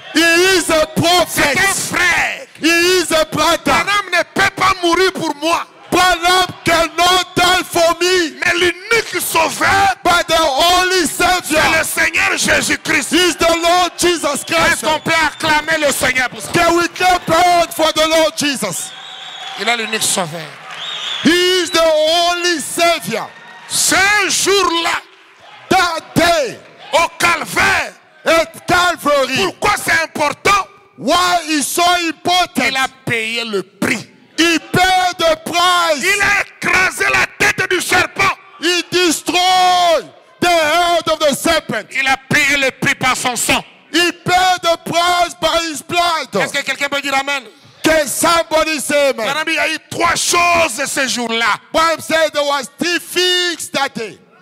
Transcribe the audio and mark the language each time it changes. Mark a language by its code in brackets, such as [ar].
[en] He is a prophet. [fr] C'est un frère. [en] He is a brother. [fr] Branham ne peut pas mourir pour moi. [en] Branham cannot die for me. [fr] Mais l'unique sauveur. [en] But the only savior. [fr] C'est le Seigneur Jésus Christ. [en] He is the Lord Jesus Christ. [fr] Est-ce qu'on peut acclamer le Seigneur pour ça? [en] Can we clap out for the Lord Jesus? [fr] Il est l'unique sauveur. [en] He is the only savior. [fr] Ce jour-là. [en] That day. [fr] Au calvaire. [en] At Calvary. [fr] Pourquoi c'est important? [en] Why is so important? [fr] Il a payé le prix. [en] He paid the price. [fr] Il a écrasé la tête du serpent. [en] He destroyed the head of the serpent. [fr] Il a payé le prix par son sang. [en] He paid the price by his blood. [fr] Est-ce que quelqu'un peut dire amen? [en] Can somebody say amen? [fr] Il y a eu trois choses ce jour-là. [en] Bible said there was three things that day.